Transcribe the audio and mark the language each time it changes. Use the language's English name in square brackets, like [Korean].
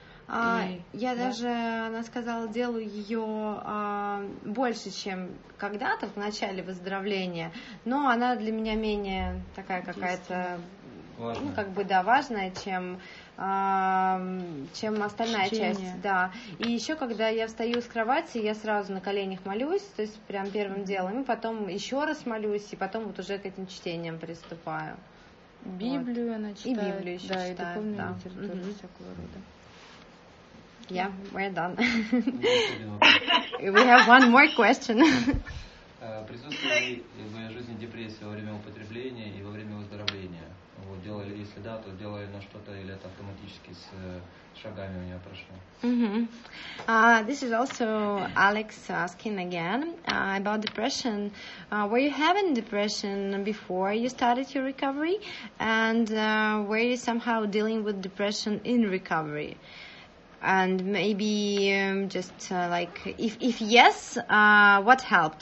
[Russian] Даже, она сказала, делаю ее больше, чем когда-то, в начале выздоровления, но она для меня менее такая какая-то, важная, чем остальная Чечение. Часть. Да. И еще, когда я встаю с кровати, я сразу на коленях молюсь, то есть прям первым делом, и потом еще раз молюсь, и потом уже к этим чтениям приступаю. Библию она читает. И Библию еще читает. Да, и духовную литературу всякого рода. [English] Yeah, we're done. We have one more question. [Russian] Присутствовала ли в моей жизни депрессия во время употребления и во время выздоровления? Делали, если да, то делали на что-то или это автоматически с шагами у нее прошло? [English] This is also Alex asking again about depression. Were you having depression before you started your recovery? And were you somehow dealing with depression in recovery? And maybe if yes, what helped?